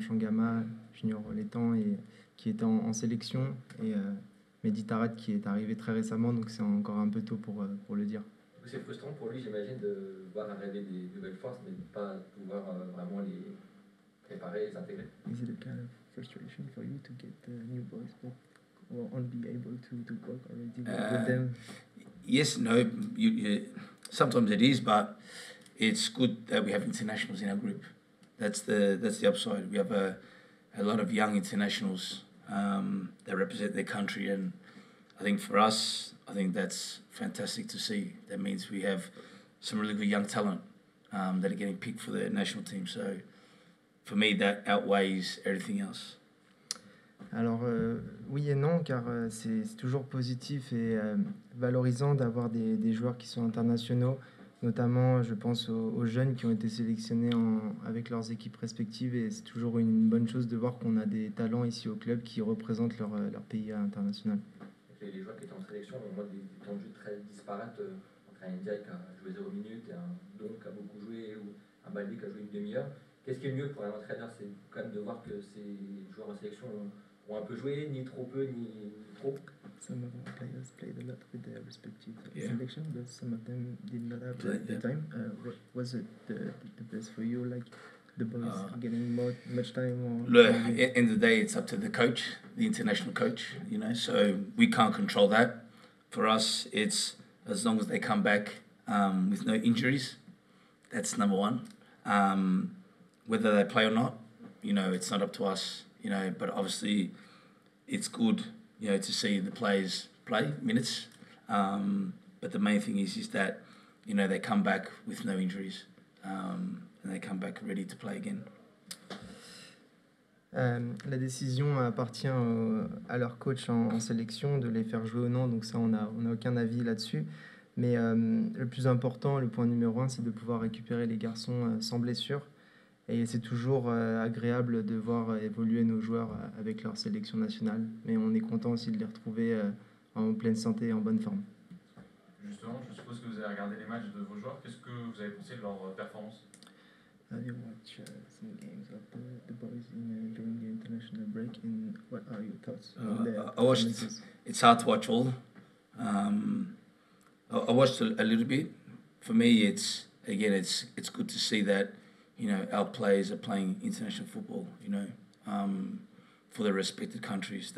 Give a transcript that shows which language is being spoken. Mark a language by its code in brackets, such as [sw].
[fr] Changama, Junior Oletan, et qui était en sélection, et Mehdi Tarat qui est arrivé très récemment, donc c'est encore un peu tôt pour le dire. C'est frustrant pour lui, j'imagine, de voir arriver des nouvelles forces, mais de ne pas pouvoir vraiment les préparer, les intégrer. [en] Is it a kind of frustration for you to get the new boys back, or not be able to work already with them? Yes, no, sometimes it is, but it's good that we have internationals in our group. That's the upside. We have a lot of young internationals that represent their country, and I think for us, I think that's fantastic to see. That means we have some really good young talent that are getting picked for the national team. So for me, that outweighs everything else. [fr] Alors oui et non, car c'est toujours positif et valorisant d'avoir des joueurs qui sont internationaux. Notamment, je pense aux jeunes qui ont été sélectionnés avec leurs équipes respectives. Et c'est toujours une bonne chose de voir qu'on a des talents ici au club qui représentent leur pays international. Les joueurs qui étaient en sélection ont des temps de jeu très disparates. Entre un Ndiaye qui a joué 0 minute et un Don qui a beaucoup joué, ou un Balbi qui a joué une demi-heure. Qu'est-ce qui est mieux pour un entraîneur? C'est quand même de voir que ces joueurs en sélection ont un peu joué, ni trop peu, ni trop. [en] Some of our players played a lot with their respective selection, but some of them did not have the time. Was it the best for you, like the boys getting much time? Or look, in the day, it's up to the coach, the international coach, you know, so we can't control that. For us, it's as long as they come back with no injuries, that's number one. Whether they play or not, you know, it's not up to us, you know, but obviously it's good, you know, to see the players play minutes. But the main thing is that, you know, they come back with no injuries and they come back ready to play again. [fr] La décision appartient à leur coach en sélection de les faire jouer ou non. Donc ça, on a aucun avis là-dessus. Mais le plus important, le point numéro un, c'est de pouvoir récupérer les garçons sans blessure. Et c'est toujours agréable de voir évoluer nos joueurs avec leur sélection nationale. Mais on est content aussi de les retrouver en pleine santé et en bonne forme. Justement, je suppose que vous avez regardé les matchs de vos joueurs. Qu'est-ce que vous avez pensé de leur performance? [en] Have you watched some games of the boys during the international break? And what are your thoughts on that? I watched. It's hard to watch all. I watched a little bit. For me, it's good to see that, you know, our players are playing international football, you know, for their respected countries.